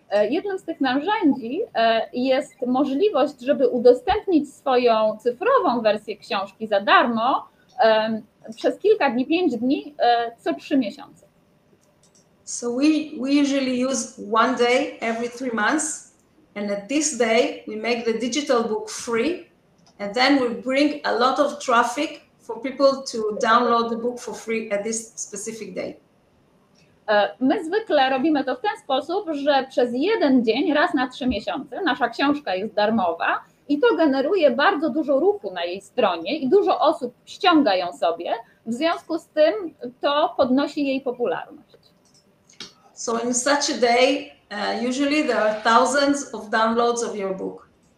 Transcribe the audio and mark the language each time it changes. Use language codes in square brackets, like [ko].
[pl] Jednym z tych narzędzi jest możliwość, żeby udostępnić swoją cyfrową wersję książki za darmo przez kilka dni, 5 dni, co 3 miesiące. [en] So we usually use one day every 3 months, and at this day we make the digital book free, and then we bring a lot of traffic for people to download the book for free at this specific day. [pl] My zwykle robimy to w ten sposób, że przez jeden dzień, raz na 3 miesiące, nasza książka jest darmowa i to generuje bardzo dużo ruchu na jej stronie i dużo osób ściąga ją sobie, w związku z tym to podnosi jej popularność. [en] So in such a day, usually there are thousands of downloads of your book.